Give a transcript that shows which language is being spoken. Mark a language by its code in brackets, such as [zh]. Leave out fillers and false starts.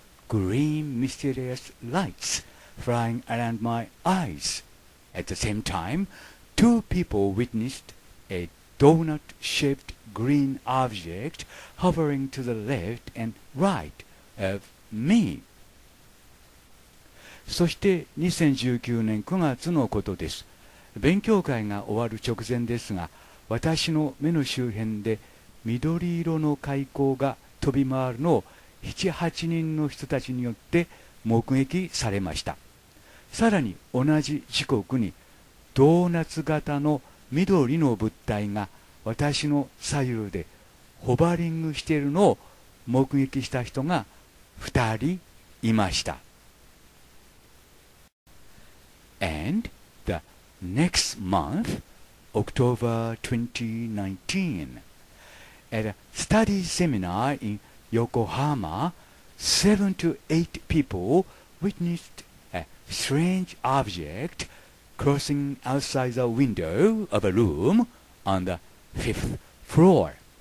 [en] green mysterious lights flying around my eyes. At the same time, two people witnessed a donut-shaped green object hovering to the left and right of me. [ja] そして2019年9月のことです。勉強会が終わる直前ですが、私の目の周辺で緑色の怪光が飛び回るのを7、8人の人たちによって目撃されました。さらに同じ時刻にドーナツ型の緑の物体が私の左右でホバリングしているのを目撃した人が2人いました。 [en] And the next month, October 2019, at a study seminar in Yokohama, 7 to 8 people witnessed a strange object crossing outside the window of a room on the fifth floor.